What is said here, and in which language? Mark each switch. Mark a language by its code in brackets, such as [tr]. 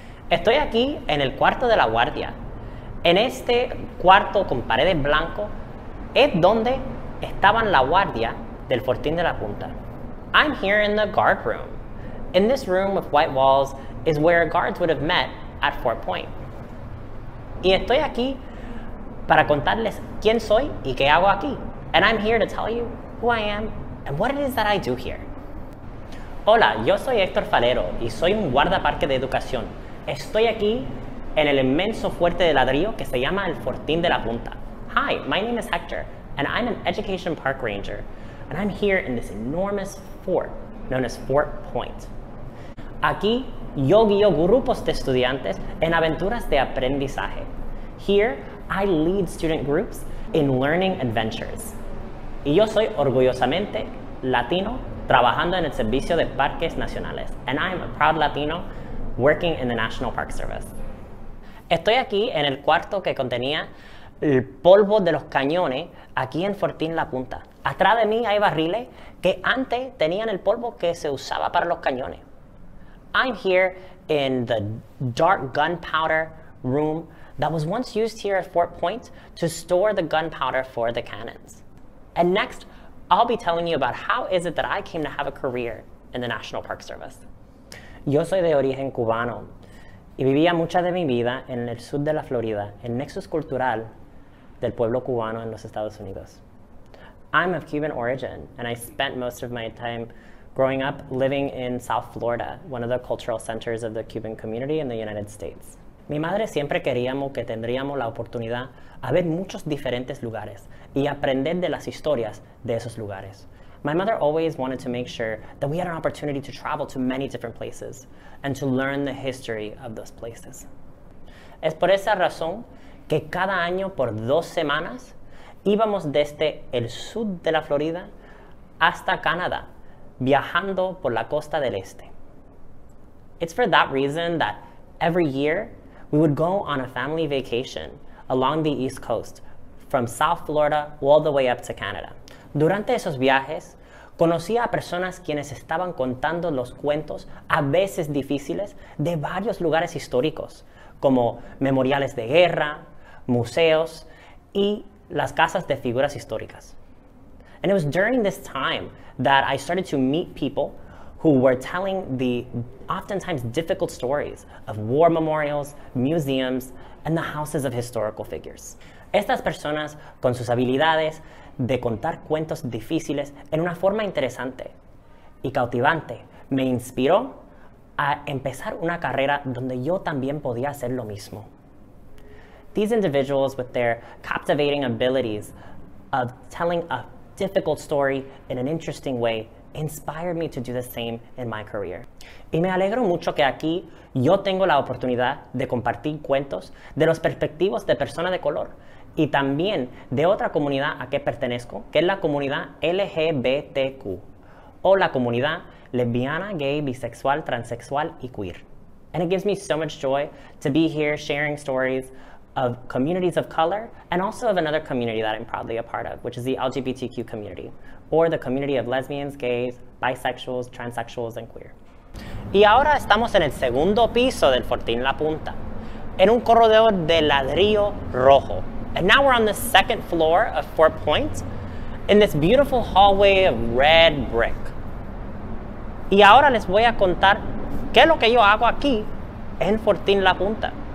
[es] Estoy aquí en el cuarto de la guardia. En este cuarto con paredes blancas es donde estaban la guardia del Fortín de la Punta. [en] I'm here in the guard room. In this room with white walls is where guards would have met at Fort Point. [es] Y estoy aquí para contarles quién soy y qué hago aquí. [en] And I'm here to tell you who I am and what it is that I do here. [es] Hola, yo soy Héctor Falero y soy un guardaparque de educación. Estoy aquí en el inmenso fuerte de ladrillo que se llama el Fortín de la Punta. [en] Hi, my name is Hector, and I'm an education park ranger, and I'm here in this enormous fort known as Fort Point. [es] Aquí yo guío grupos de estudiantes en aventuras de aprendizaje. [en] Here, I lead student groups in learning adventures. [es] Y yo soy orgullosamente latino trabajando en el servicio de parques nacionales. [en] And I am a proud Latino working in the National Park Service. [es] Estoy aquí en el cuarto que contenía el polvo de los cañones aquí en Fortín La Punta. Atrás de mí hay barriles que antes tenían el polvo que se usaba para los cañones. [en] I'm here in the dark gunpowder room that was once used here at Fort Point to store the gunpowder for the cannons. And next, I'll be telling you about how is it that I came to have a career in the National Park Service. [es] Yo soy de origen cubano y vivía mucha de mi vida en el sur de la Florida, el nexus cultural del pueblo cubano en los Estados Unidos. [en] I'm of Cuban origin and I spent most of my time growing up living in South Florida, one of the cultural centers of the Cuban community in the United States. [es] Mi madre siempre queríamos que tendríamos la oportunidad a ver muchos diferentes lugares y aprender de las historias de esos lugares. [en] My mother always wanted to make sure that we had an opportunity to travel to many different places and to learn the history of those places. [es] Es por esa razón que cada año por 2 semanas íbamos desde el sur de la Florida hasta Canadá, viajando por la costa del este. [en] It's for that reason that every year we would go on a family vacation along the East Coast, from South Florida all the way up to Canada. [es] Durante esos viajes, conocí a personas quienes estaban contando los cuentos, a veces difíciles, de varios lugares históricos, como memoriales de guerra, museos y las casas de figuras históricas. [en] And it was during this time that I started to meet people who were telling the oftentimes difficult stories of war memorials, museums, and the houses of historical figures. [es] Estas personas, con sus habilidades de contar cuentos difíciles en una forma interesante y cautivante, me inspiró a empezar una carrera donde yo también podía hacer lo mismo. [en] These individuals, with their captivating abilities of telling a difficult story in an interesting way, inspired me to do the same in my career. [es] Y me alegro mucho que aquí yo tengo la oportunidad de compartir cuentos de los perspectivos de personas de color y también de otra comunidad a que pertenezco, que es la comunidad LGBTQ o la comunidad lesbiana, gay, bisexual, transexual y queer. [en] And it gives me so much joy to be here sharing stories of communities of color and also of another community that I'm proudly a part of, which is the LGBTQ community, or the community of lesbians, gays, bisexuals, transsexuals, and queer. [es] Y ahora estamos en el segundo piso del Fortín La Punta, en un corredor de ladrillo rojo. [en] And now we're on the second floor of Fort Point, in this beautiful hallway of red brick. [es] Y ahora les voy a contar qué es lo que yo hago aquí en Fortín La Punta.